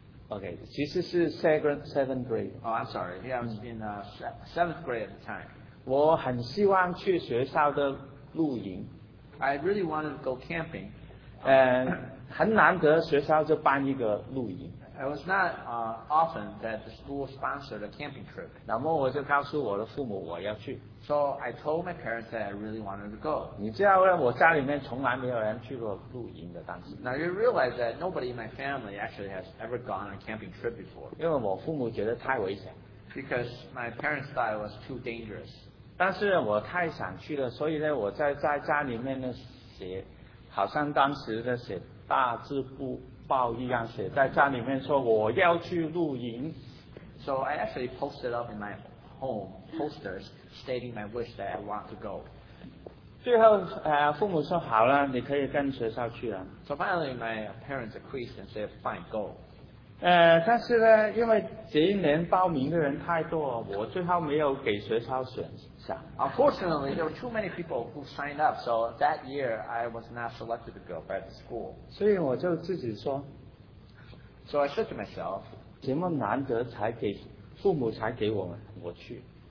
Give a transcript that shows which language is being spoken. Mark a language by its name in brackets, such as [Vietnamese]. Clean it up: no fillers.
[English] Okay, [Chinese] 其实是 [English] seventh grade. Oh, I'm sorry. Yeah, I was in seventh grade at the time. [Chinese] 我很希望去学校的露营。 [English] I really wanted to go camping. [Chinese] 很难得学校就办一个露营。 [English] It was not often that the school sponsored a camping trip. [Chinese] 那么我就告诉我的父母我要去。 [English] So I told my parents that I really wanted to go. [Chinese] 你知道我家里面从来没有人去过露营的当时。 [English] Now you realize that nobody in my family actually has ever gone on a camping trip before. [Chinese] 因为我父母觉得太危险。 [English] Because my parents thought it was too dangerous. [Chinese] 但是我太想去了，所以呢，我在家里面呢写，好像当时的写大字不。报一样写在家里面说我要去露营。 [English] So I actually posted up in my home posters stating my wish that I want to go. [Chinese] 最后父母说好了，你可以跟学校去了。 [English] So finally my parents agreed and said fine, go. [Chinese] 但是呢，因为这一年报名的人太多，我最后没有给学校选上。 [English] Unfortunately, there were too many people who signed up, so that year I was not selected to go by the school. [Chinese] 所以我就自己说。 [English] So I said to myself, [Chinese] 这么难得才给父母才给我们，我去。